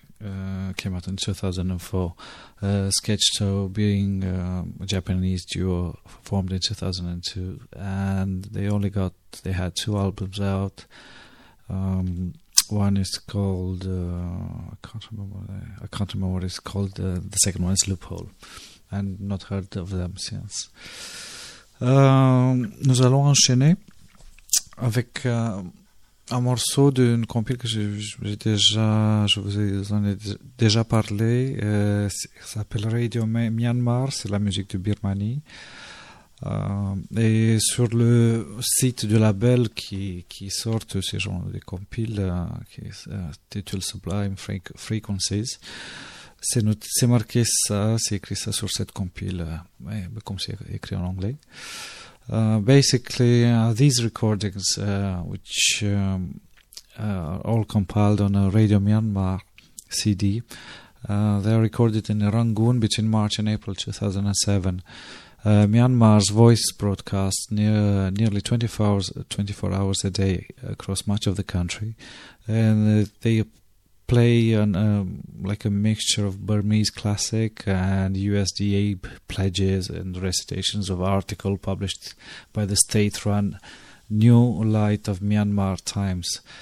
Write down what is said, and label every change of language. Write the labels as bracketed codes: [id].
[en] Came out in 2004. Sketch Show being a Japanese duo formed in 2002, and they had two albums out. One is called I can't remember what it's called. The second one is Loophole, and not heard of them since. [fr] Nous allons enchaîner avec un morceau d'une compil que je vous en ai déjà parlé. Ça s'appelle Radio Myanmar, c'est la musique de Birmanie. Et sur le site du label qui sort ce genre de compil, qui s'intitule Sublime Frequencies, c'est marqué ça, c'est écrit ça sur cette compil, comme c'est écrit en anglais. [en] Basically, these recordings, which are all compiled on a Radio Myanmar CD, they are recorded in Rangoon between March and April 2007. Myanmar's voice broadcasts nearly 24 hours a day across much of the country, and they play like a mixture of Burmese classic and USDA pledges and recitations of article published by the state-run New Light of Myanmar Times.